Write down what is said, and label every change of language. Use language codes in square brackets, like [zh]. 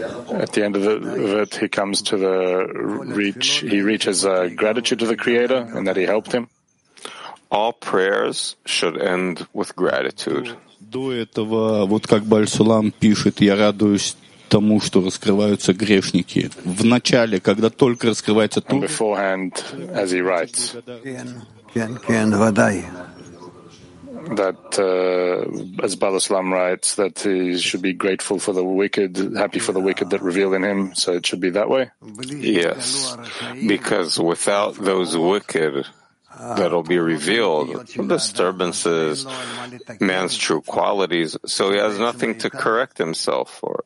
[en] At the end of it, he comes to the reach, he reaches a gratitude to the Creator and that he helped him. All prayers should end with gratitude. [ru] До этого, вот как Бальсулам пишет, я радуюсь тому, что раскрываются грешники. В начале, когда только раскрывается то. [en] And beforehand, as he writes, that as Bal-Aslam writes, that he should be grateful for the wicked, happy for the wicked that reveal in him, so it should be that way? Yes, because without those wicked that'll be revealed, disturbances, man's true qualities, so he has nothing to correct himself for.